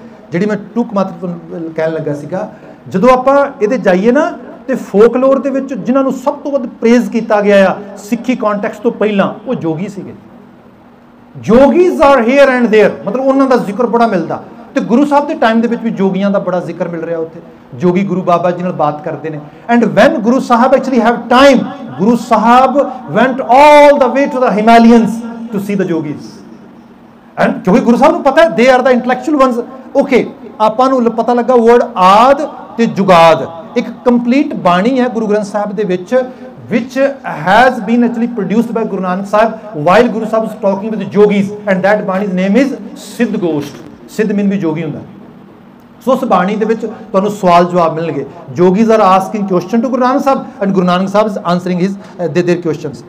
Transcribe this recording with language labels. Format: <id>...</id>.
<en>When I was talking about it, when we go to this, the folklore, which was all praised by the people in the Sikhi context, they were the yogis. Yogis are here and there</en> <pa>ਮਤਲਬ ਉਹਨਾਂ ਦਾ ਜ਼ਿਕਰ ਬੜਾ ਮਿਲਦਾ ਅਤੇ ਗੁਰੂ ਸਾਹਿਬ ਦੇ time ਦੇ ਵਿੱਚ ਵੀ ਯੋਗੀਆਂ ਦਾ ਬੜਾ ਜ਼ਿਕਰ ਮਿਲ ਰਿਹਾ ਉੱਥੇ ਯੋਗੀ ਗੁਰੂ ਬਾਬਾ ਜੀ ਨਾਲ ਬਾਤ ਕਰਦੇ ਨੇ</pa> <en>and when Guru Sahib actually have time Guru Sahib went all the way to the Himalayans to see the yogis</en> <pa>and ਕਿਉਂਕਿ ਗੁਰੂ ਸਾਹਿਬ ਨੂੰ ਪਤਾ</pa> <en>they are the intellectual ones okay</en> <pa>ਆਪਾਂ ਨੂੰ ਪਤਾ ਲੱਗਾ ਵਰਡ ਆਦ ਅਤੇ ਜੁਗਾਦ ਇੱਕ ਕੰਪਲੀਟ ਬਾਣੀ ਹੈ ਗੁਰੂ ਗ੍ਰੰਥ ਸਾਹਿਬ ਦੇ ਵਿੱਚ</pa> <en>which has been actually produced by Guru Nanak Sahib while Guru Sahib is talking with the yogis and that bani's name is Sidh Gosht. Sidh means</en> <pa>bhi yogi hunda. So, us bani de vich tuhanu sawal jawab mil gaye.</pa> <en>Yogis are asking question to Guru Nanak Sahib and Guru Nanak Sahib is answering his their questions.</en>